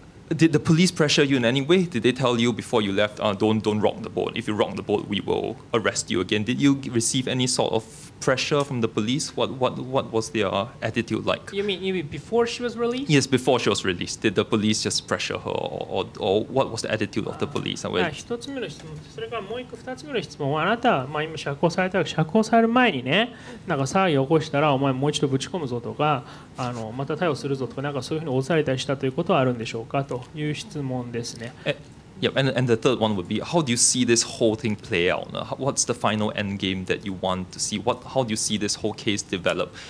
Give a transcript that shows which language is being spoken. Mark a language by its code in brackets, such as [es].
[en] Did the police pressure you in any way? Did they tell you before you left, don't rock the boat? If you rock the boat, we will arrest you again. Did you receive any sort of pressure from the police? What was their attitude like? You mean before she was released? Yes, before she was released. Did the police just pressure her, or what was the attitude of the police? [ja] 一つ目の質問、それからもう一個二つ目の質問は、あなた、まあ今釈放されたら釈放される前にね、なんか騒ぎを起こしたらお前もう一度ぶち込むぞとか、また逮捕するぞとか、なんかそういうふうに脅されたりしたということはあるんでしょうかという質問ですね。 [en] Yep, and the third one would be, how do you see this whole thing play out? What's the final end game that you want to see? How do you see this whole case develop?